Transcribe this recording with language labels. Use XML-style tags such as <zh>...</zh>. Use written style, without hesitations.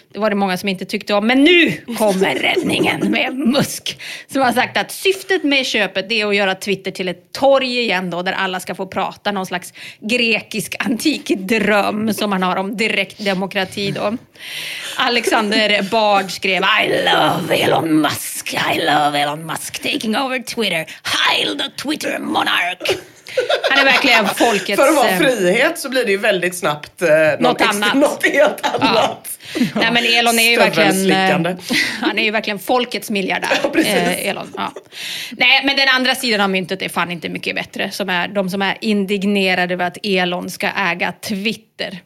<sv>Det var det många som inte tyckte om. Men nu kommer räddningen med Musk som har sagt att syftet med köpet är att göra Twitter till ett torg igen då, där alla ska få prata, någon slags grekisk antik dröm som man har om direkt demokrati då.</sv> <en>Alexander Bard skrev: I love Elon Musk. I love Elon Musk taking over Twitter. Hail the Twitter monarch.</en> <sv>Han är verkligen folkets... För att vara frihet så blir det ju väldigt snabbt något helt annat. Ja. Nej, men Elon är ju verkligen... Han är ju verkligen folkets miljardär. Ja, Elon. Ja. Nej, men den andra sidan av myntet är fan inte mycket bättre. Som är de som är indignerade över att Elon ska äga Twitter.</sv>